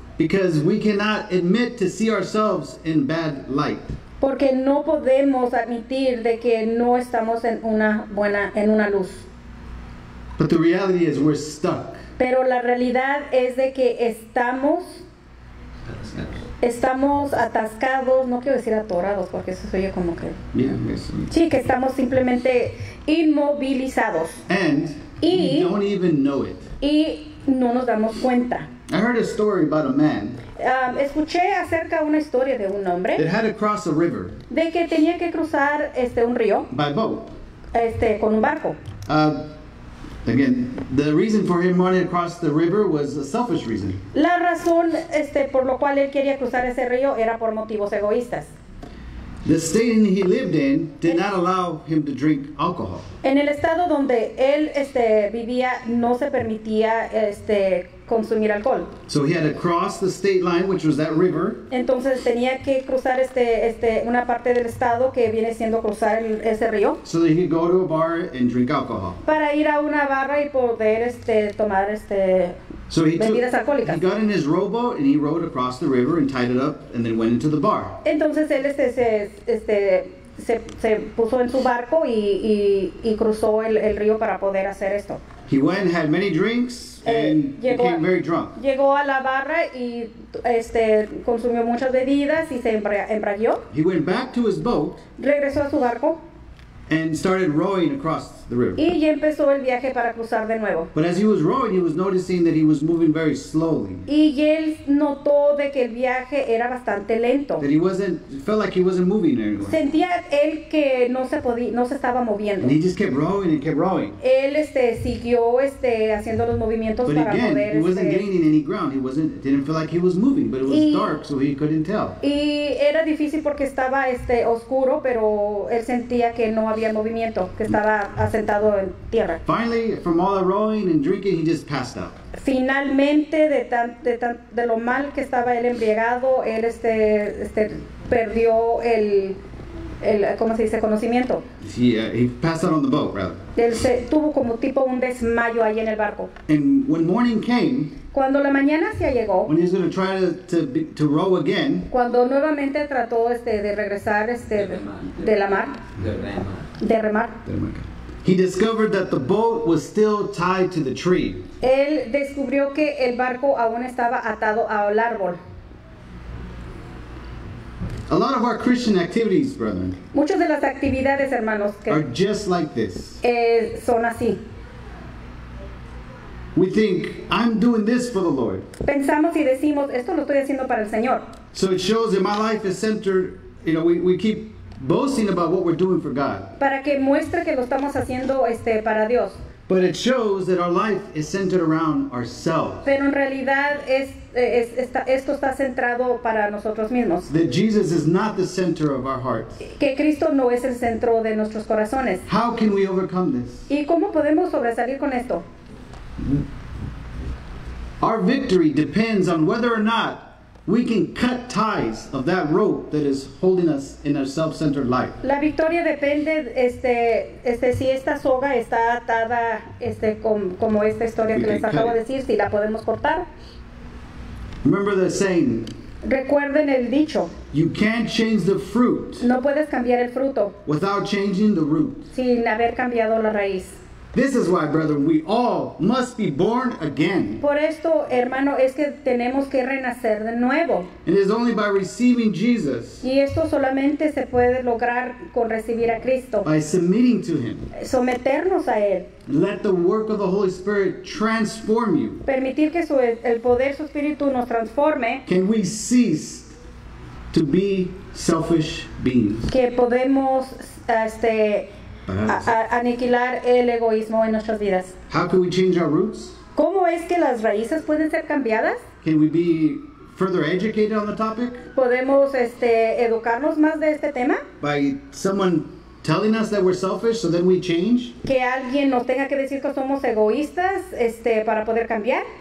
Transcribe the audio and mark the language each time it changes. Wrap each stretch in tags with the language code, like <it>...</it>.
<en>Because we cannot admit to see ourselves in bad light.</en> <es>Porque no podemos admitir de que no estamos en una buena en una luz.</es> <en>But the reality is we're stuck.</en> <es>Pero la realidad es de que estamos atascados, no quiero decir atorados, porque eso se oye como que... Yeah, sí, que estamos simplemente inmovilizados.</es> <en>And</en> <es>y,</es> <en>we don't even know it.</en> <es>Y no nos damos cuenta.</es> <en>I heard a story about a man.</en> <es>Escuché acerca una historia de un hombre.</es> <en>That had to cross a river.</en> <es>De que tenía que cruzar un río.</es> <en>By boat.</en> <es>Con un barco.</es> <en>Again, the reason for him running across the river was a selfish reason.</en> <es>La razón por lo cual él quería cruzar ese río era por motivos egoístas.</es> <en>The state he lived in did not allow him to drink alcohol.</en> <es>En el estado donde él vivía no se permitía consumir alcohol.</es> <en>So he had to cross the state line, which was that river.</en> <es>Entonces tenía que cruzar una parte del estado que viene siendo cruzar ese río.</es> <en>So that he could go to a bar and drink alcohol.</en> <es>Para ir a una barra y poder tomar</es> <en>So he</en> <es>bebidas alcohólicas.</es> <en>He got in his rowboat and he rowed across the river and tied it up and then went into the bar.</en> <es>Entonces él se puso en su barco y cruzó el río para poder hacer esto.</es> <en>He went and had many drinks and became very drunk.</en> <es>Llegó a la barra y consumió muchas bebidas y se embriagó.</es> <en>He went back to his boat.</en> <es>Regresó a su barco.</es> <en>and started rowing across the river.</en> <es>Y empezó el viaje para cruzar de nuevo.</es> <en>But as he was rowing, he was noticing that he was moving very slowly.</en> <es>Y él notó de que el viaje era bastante lento.</es> <en>That he wasn't, felt like he wasn't moving anywhere.</en> <es>Sentía él que no se estaba moviendo.</es> <en>And he just kept rowing and kept rowing.</en> <es>Él siguió haciendo los movimientos</es> <en>but</en> <es>para</es> <en>again,</en> <es>poder.</es> <en>But again, he wasn't gaining any ground. He wasn't, didn't feel like he was moving, but it was dark, so he couldn't tell.</en> <es>Y era difícil porque estaba oscuro, pero él sentía que no había movimiento, que estaba asentado en tierra.</es> <en>Finally, from all the rowing and drinking, he just passed out.</en> <es>Finalmente, de lo mal que estaba él embriagado, él perdió el ¿cómo se dice? Conocimiento.</es> <en>He passed out on the boat, rather.</en> <es>Él tuvo como tipo un desmayo ahí en el barco.</es> <en>And when morning came,</en> <es>cuando la mañana se llegó,</es> <en>when he's going to try to row again,</en> <es>cuando nuevamente trató de regresar de remar.</es> <en>He discovered that the boat was still tied to the tree.</en> <es>Él descubrió que el barco aún estaba atado al árbol.</es> <en>A lot of our Christian activities, brethren,</en> <es>muchas de las actividades, hermanos,</es> <en>are just like this.</en> <es>Son así.</es> <en>We think, I'm doing this for the Lord.</en> <es>Pensamos y decimos, esto lo estoy haciendo para el Señor.</es> <en>So it shows that my life is centered, we keep boasting about what we're doing for God.</en> <es>Para que muestre que lo estamos haciendo para Dios.</es> <en>But it shows that our life is centered around ourselves.</en> <es>Pero en realidad esto está centrado para nosotros mismos.</es> <en>That Jesus is not the center of our hearts.</en> <es>Que Cristo no es el centro de nuestros corazones.</es> <en>How can we overcome this?</en> <es>¿Y cómo podemos sobresalir con esto?</es> <en>Our victory depends on whether or not we can cut ties of that rope that is holding us in our self-centered life.</en> <es>La victoria depende si esta soga está atada como esta historia que les acabo de decir, si la podemos cortar.</es> <en>Remember the saying.</en> <es>Recuerden el dicho.</es> <en>You can't change the fruit.</en> <es>No puedes cambiar el fruto.</es> <en>Without changing the root.</en> <es>Sin haber cambiado la raíz.</es> <en>This is why, brethren, we all must be born again.</en> <es>Por esto, hermano, que tenemos que renacer de nuevo.</es> <en>It is only by receiving Jesus.</en> <es>Y esto solamente se puede lograr con recibir a Cristo.</es> <en>By submitting to Him.</en> <es>Someternos a Él.</es> <en>Let the work of the Holy Spirit transform you.</en> <es>Permitir que el poder su Espíritu nos transforme.</es> <en>Can we cease to be selfish beings?</en> <es>Que podemos aniquilar el egoísmo en nuestras vidas.</es> <en>How can we change our roots?</en> <es>¿Cómo es que las raíces pueden ser cambiadas?</es> <en>Can we be further educated on the topic?</en> <es>¿Podemos educarnos más de este tema?</es> <en>By someone telling us that we're selfish, so then we change?</en> <es>¿Que alguien nos tenga que decir que somos egoístas para poder cambiar?</es>